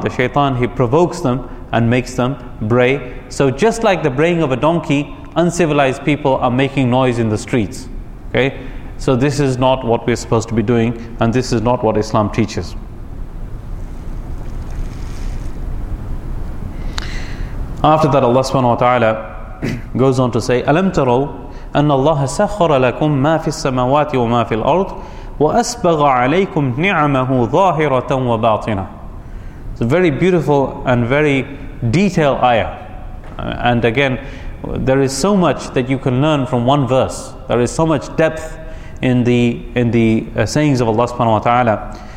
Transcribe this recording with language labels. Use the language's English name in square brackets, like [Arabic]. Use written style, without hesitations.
[English] The shaitan, he provokes them and makes them bray. So just like the braying of a donkey, uncivilized people are making noise in the streets. Okay, so this is not what we're supposed to be doing, and this is not what Islam teaches. After that, Allah subhanahu wa ta'ala goes on to say, [Arabic] أَلَمْ تَرَوْا أَنَّ اللَّهَ سَخَّرَ لَكُمْ مَا فِي السَّمَوَاتِ وَمَا فِي الْأَرْضِ وَأَسْبَغَ عَلَيْكُمْ نِعَمَهُ ظَاهِرَةً وَبَاطِنَةً. [English] It's a very beautiful and very detailed ayah. And again, there is so much that you can learn from one verse. There is so much depth in the sayings of Allah subhanahu wa ta'ala.